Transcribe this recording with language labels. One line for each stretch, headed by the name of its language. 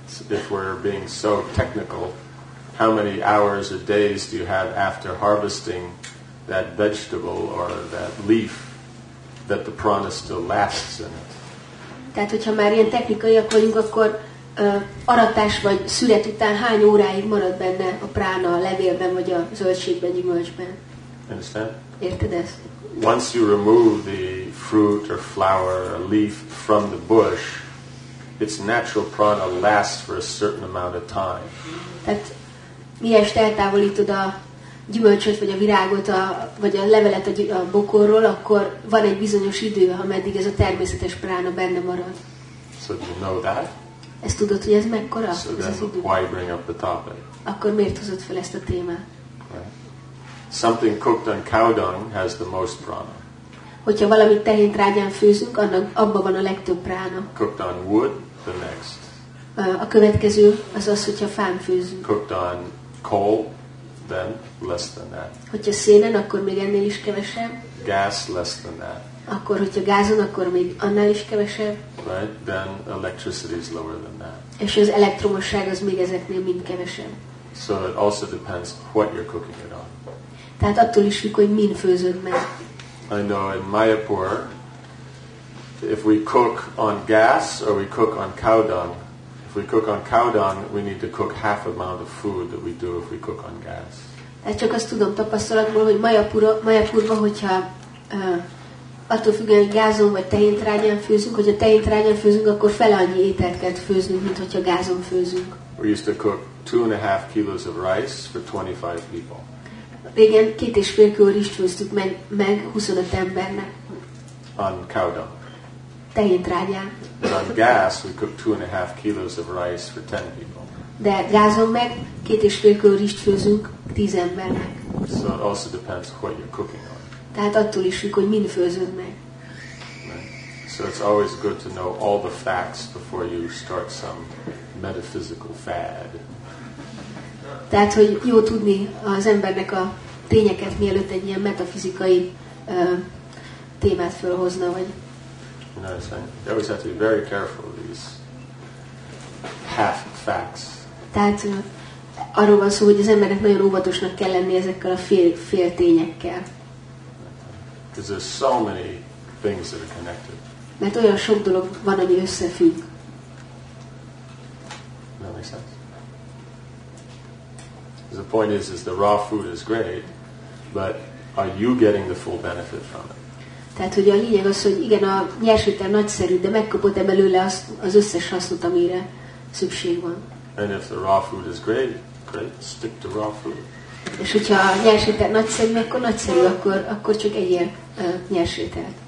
English: If we're being so technical, how many hours or days do you have after harvesting that vegetable or that leaf that the prana still lasts in it?
Hungarian: Tehát, hogyha már ilyen technikaiak vagyunk, akkor aratás vagy szület után hány óráig marad benne a prána a levélben vagy a zöldségben, gyümölcsben?
English: Understand?
Hungarian: Érted ezt?
English: Once you remove the fruit or flower or leaf from the bush, its natural prana lasts for a certain amount of time.
Hungarian: Tehát miért eltávolítod a gyümölcsöt vagy a virágot vagy a levelet a bokorról, akkor van egy bizonyos idő, ameddig ez a természetes prána benne marad.
English: So do you know that?
Hungarian: Ezt tudod, hogy ez mekkora?
English: So then why bring up the topic?
Hungarian: Akkor miért hozott fel ezt a témát?
English: Something cooked on cow dung has the most prana.
Hungarian: Hogyha valamit tehén trágyán főzünk, annak abban van a legtöbb prána.
English: Cooked on wood, the next.
Hungarian: A következő az az, hogyha fán főzünk.
English: Cooked on coal, then less than that.
Hungarian: Hogyha szénen, akkor még ennél is kevesebb.
English: Gas, less than that.
Hungarian: Akkor, hogyha gázon, akkor még annál is kevesebb.
English: Right, then electricity is lower than that.
Hungarian: És az elektromosság az még ezeknél mind kevesebb.
English: So it also depends what you're cooking it on.
Hungarian: Tehát attól is függ, hogy min főzöd meg.
English: I know in Mayapur, if we cook on gas or we cook on cow dung, if we cook on cow dung, we need to cook half amount of food that we do if we cook on gas.
Hungarian: Hát csak azt tudom tapasztalatból, hogy Mayapurban, hogyha attól függően, hogy gázon vagy tehéntrágyán főzünk, hogyha tehéntrágyán főzünk, akkor fele annyi ételt kell főznünk, mint hogyha gázon főzünk.
English: We used to cook 2.5 kilos of rice for 25 people.
Hungarian: Régen 2.5 kiló rizst főztük meg 25 embernek.
English: On cow dung.
Hungarian: Tehéntrágyán.
English: But on gas, we cook 2.5 kilos of rice for 10 people.
Hungarian: De gázon meg 2.5 kiló rizst főzünk 10 embernek.
English: So it also depends what you're cooking on.
Hungarian: Tehát attól is függ, hogy mind főzöd meg.
English: So it's always good to know all the facts before you start some metaphysical fad.
Hungarian: Tehát, hogy jó tudni az embernek a tényeket, mielőtt egy ilyen metafizikai témát fölhozna, vagy...
English: You know what I'm saying? You always have to be very careful with these half facts.
Hungarian: Tehát arról van szó, hogy az embernek nagyon óvatosnak kell lenni ezekkel a fél tényekkel.
English: Because there's so many things that are connected.
Hungarian: Mert olyan sok dolog van, ami összefügg.
English: The point is the raw food is great, but are you getting the full benefit from it?
Hungarian: Tehát, hogy a lényeg az, hogy igen, a nyersétel nagyszerű, de megkapod-e belőle az összes hasznot, amire szükség van.
English: And if the raw food is great, stick to raw food.
Hungarian: És hogyha a nyersétel nagyszerű, akkor csak egyél nyersételt.